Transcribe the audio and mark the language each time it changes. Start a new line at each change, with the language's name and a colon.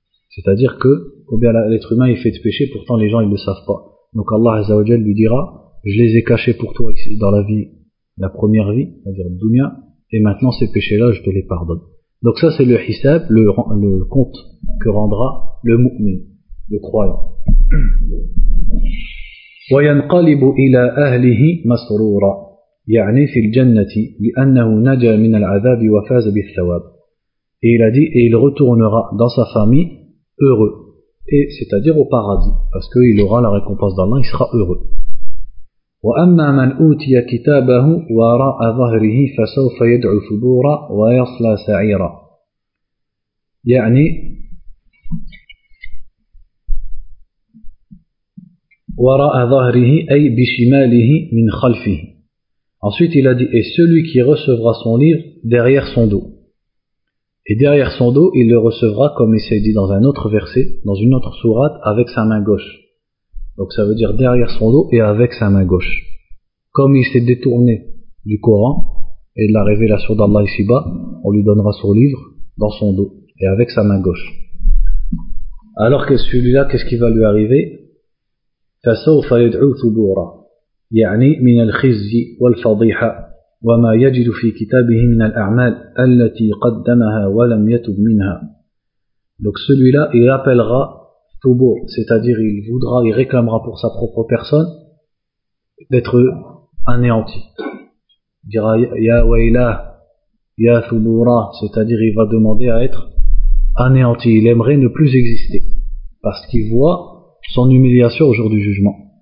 French: C'est-à-dire que, combien l'être humain est fait de péché, pourtant les gens ils ne le savent pas. Donc Allah Azza wa Jal lui dira, je les ai cachés pour toi ici dans la vie, la première vie, c'est-à-dire le dunya, et maintenant ces péchés-là je te les pardonne. Donc ça c'est le hisab, le compte que rendra le mu'min, le croyant.
Arabic: وَيَنْقَلِبُ إِلَىٰ أَهْلِهِ مَسْرُورًا يعني في الجنة لأنه نجا من العذاب وفاز بالثواب.
French: Et il a dit et il retournera dans sa famille heureux, et c'est-à-dire au paradis, parce qu'il aura la récompense d'Allah, il sera heureux.
Arabic: وأما من أوتي كتابه وراء ظهره فسوف يدعو ثبورا ويصلى سعيرا. يعني وراء ظهره أي بشماله من خلفه.
French: Ensuite, il a dit, et celui qui recevra son livre derrière son dos. Et derrière son dos, il le recevra, comme il s'est dit dans un autre verset, dans une autre sourate, avec sa main gauche. Donc ça veut dire derrière son dos et avec sa main gauche. Comme il s'est détourné du Coran et de la révélation d'Allah ici-bas, on lui donnera son livre dans son dos et avec sa main gauche. Alors que celui-là, qu'est-ce qui va lui arriver ?
Arabic: فَسَوْفَ يَدْعُو ثُبُورًا يعني من الخزي والفضيحة وما يجد في كتابه من الأعمال التي قدمها ولم يتب منها.
French: Donc celui-là il appellera thubur, c'est-à-dire il voudra, il réclamera pour sa propre personne d'être anéanti. Il dira
Arabic: ya waila ya thubura,
French: c'est-à-dire il va demander à être anéanti, il aimerait ne plus exister parce qu'il voit son humiliation au jour du jugement.